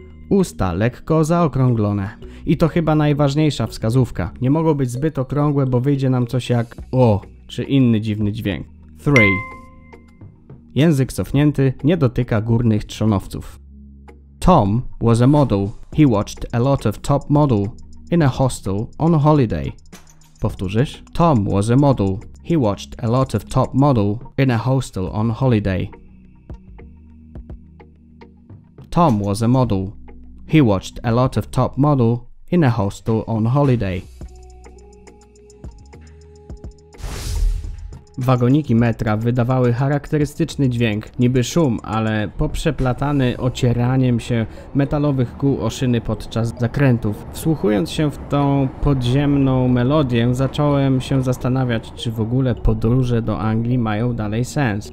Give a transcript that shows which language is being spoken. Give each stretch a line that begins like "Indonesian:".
Polish: Usta lekko zaokrąglone. I to chyba najważniejsza wskazówka. Nie mogą być zbyt okrągłe, bo wyjdzie nam coś jak o, czy inny dziwny dźwięk. 3. Język cofnięty nie dotyka górnych trzonowców.
English: Tom was a model. He watched a lot of top model in a hostel on a holiday.
Polish: Powtórzysz?
English: Tom was a model. He watched a lot of top model in a hostel on holiday. Tom was a model. He watched a lot of top model in a hostel on holiday.
Polish: Wagoniki metra wydawały charakterystyczny dźwięk, niby szum, ale poprzeplatany ocieraniem się metalowych kół o szyny podczas zakrętów. Wsłuchując się w tą podziemną melodię, zacząłem się zastanawiać, czy w ogóle podróże do Anglii mają dalej sens.